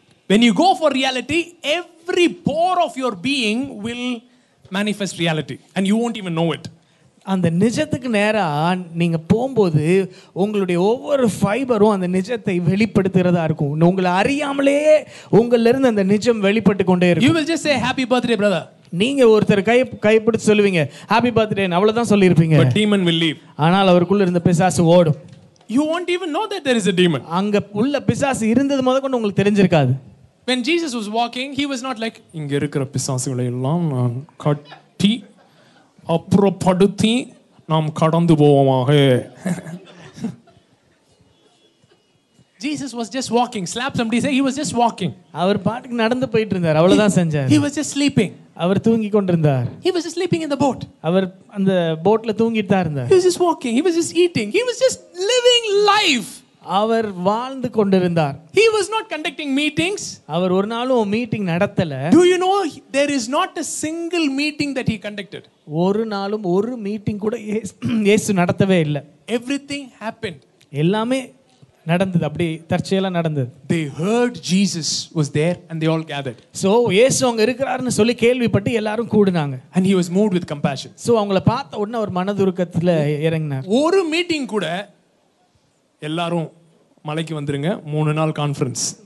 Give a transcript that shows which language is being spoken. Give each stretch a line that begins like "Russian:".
English: When you go for reality, every pore of your being will manifest reality. And you won't even know it.
Tamil: அந்த நிஜத்துக்கு நேரா நீங்க போகும்போது உங்களுடைய ஒவ்வொரு ஃபைபரும் அந்த நிஜத்தை வெளிப்படுத்துறதா இருக்கும். உங்களை அறியாமலே உங்கள இருந்து அந்த நிஜம் வெளிப்பட்டு கொண்டே இருக்கும்.
English: You will just say happy birthday brother.
Tamil: நீங்க ஒருத்தர் கைப்பிடிச்சு சொல்லுவீங்க
English: happy birthday,
Tamil: அவ்வளவுதான் சொல்லிருப்பீங்க.
English: But demon will leave.
Tamil: ஆனால் அவருக்குள்ள இருந்த பிசாசு ஓடும்.
English: You won't even know that there is a demon.
Tamil: அங்க உள்ள பிசாசு இருந்தது முத கொண்டு உங்களுக்கு தெரிஞ்சிருக்காது.
English: When Jesus was walking, he was not like
Tamil: இங்க இருக்கிற பிசாசுகளை எல்லாம் நான் கட்டி அப்புறப்படுத்தி நாம் கடந்து போவோமாக.
English: Jesus was just walking. Slap somebody, say he was just walking.
Tamil: அவர் பாட்டுக்கு நடந்து போயிட்டு இருந்தார், அவ்வளவுதான் செஞ்சார்.
English: He was just sleeping.
Tamil: அவர் தூங்கிக் கொண்டிருந்தார்.
English: He was just sleeping in the boat.
Tamil: அவர் அந்த போட்ல தூங்கிட்டு தான் இருந்தார்.
English: He was just walking. He was just eating. He was just living life.
Tamil: அவர் வாழ்ந்து கொண்டிருந்தார்.
English: He was not conducting meetings.
Tamil: அவர் ஒரு நாளும் meeting நடத்தல.
English: Do you know there is not a single meeting that he conducted?
Tamil: ஒரு நாளும் ஒரு meeting கூட இயேசு நடத்தவே இல்லை.
English: Everything happened.
Tamil: எல்லாமே நடந்தது, அப்படி தற்செயலா நடந்தது.
English: They heard Jesus was there and they all gathered.
Tamil: So இயேசு அங்க இருக்கிறாருன்னு சொல்லி கேள்விப்பட்டு எல்லாரும் கூடுனாங்க.
English: And he was moved with compassion.
Tamil: So அவங்கள பார்த்த உடனே அவர் மனதுருக்கத்துல இறங்கினார். ஒரு மீட்டிங் கூட எல்லாரும் மலைக்கு வந்துருங்க, மூணு நாள் கான்ஃபரன்ஸ்.